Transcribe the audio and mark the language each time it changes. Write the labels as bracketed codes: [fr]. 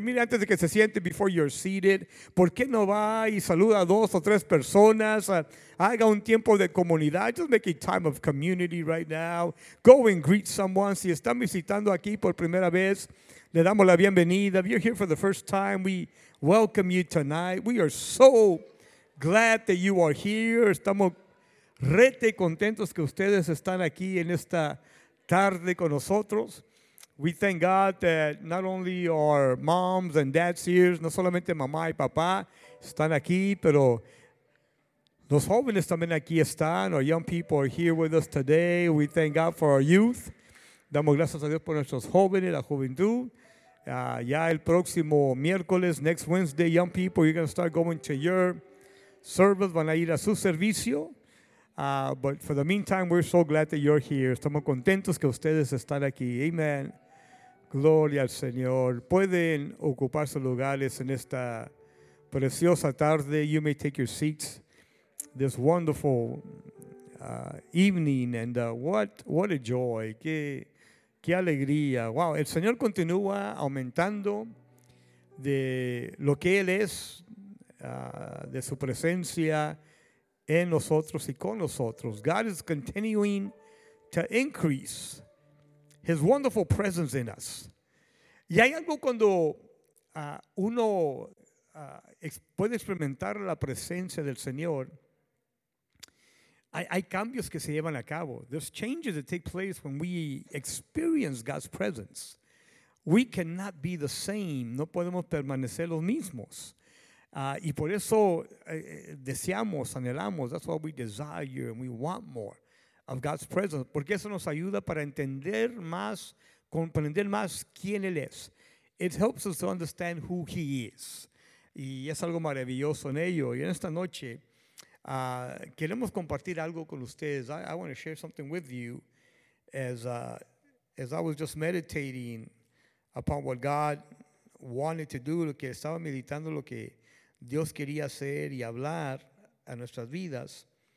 [es] Mira, antes de que se siente, [en] before you're seated, [es] ¿por qué no va y saluda a dos o tres personas? Haga un tiempo de comunidad. [en] Just make a time of community right now. Go and greet someone. [es] Si están visitando aquí por primera vez, le damos la bienvenida. [en] If you're here for the first time, we welcome you tonight. We are so glad that you are here. [es] Estamos rete contentos que ustedes están aquí en esta tarde con nosotros. [en] We thank God that not only our moms and dads here, [es] no solamente mamá y papá están aquí, [en] pero los jóvenes también aquí están. Our young people are here with us today. We thank God for our youth. [es] Damos gracias a Dios por nuestros jóvenes, la juventud. Ya el próximo miércoles, [en] next Wednesday, young people, you're going to start going to your service. [es] Van a ir a su servicio. [en] But for the meantime, we're so glad that you're here. [es] Estamos contentos que ustedes están aquí. Amen. Gloria al Señor. Pueden ocupar sus lugares en esta preciosa tarde. [en] You may take your seats this wonderful evening. And what a joy. [es] Qué alegría. [en] Wow. [es] El Señor continúa aumentando de lo que Él es, de su presencia en nosotros y con nosotros. [en] God is continuing to increase His wonderful presence in us. [es] Y hay algo cuando uno puede experimentar la presencia del Señor, hay cambios que se llevan a cabo. [en] There's changes that take place when we experience God's presence. We cannot be the same. [es] No podemos permanecer los mismos. Y por eso deseamos, anhelamos, [en] that's why we desire and we want more of God's presence. [es] Porque eso nos ayuda para entender más, comprender más quién Él es. [en] It helps us to understand who He is. [es] Y es algo maravilloso en ello. Y en esta noche, queremos compartir algo con ustedes. [en] I want to share something with you as I was just meditating upon what God wanted to do, [es] lo que estaba meditando, lo que Dios quería hacer y hablar a nuestras vidas.